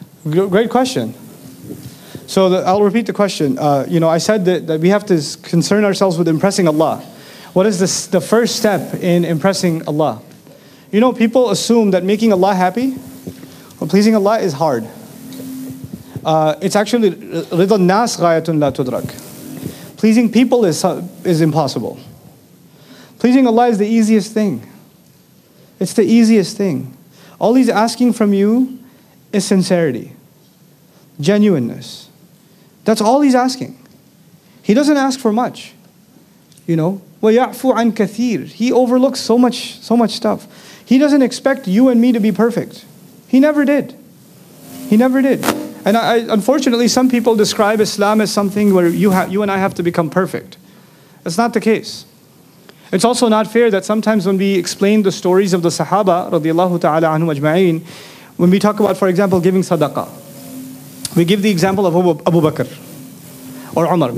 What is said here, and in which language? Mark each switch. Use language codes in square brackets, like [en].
[en] Great question. So I'll repeat the question. I said that we have to concern ourselves with impressing Allah. What is the first step in impressing Allah? You know, people assume that making Allah happy, pleasing Allah is hard. It's actually [ar] رِضَ النَّاسِ غَايَةٌ لَا تُدْرَكُ. [en] Pleasing people is impossible. Pleasing Allah is the easiest thing. It's the easiest thing. All He's asking from you is sincerity, genuineness. That's all He's asking. He doesn't ask for much. You know, [ar] وَيَعْفُ عَنْ كَثِيرٍ. [en] He overlooks so much stuff. He doesn't expect you and me to be perfect. He never did. And I, unfortunately, some people describe Islam as something where you and I have to become perfect. That's not the case. It's also not fair that sometimes when we explain the stories of the Sahaba, radiallahu ta'ala anhum ajma'in, when we talk about, for example, giving sadaqah, we give the example of Abu Bakr or Umar.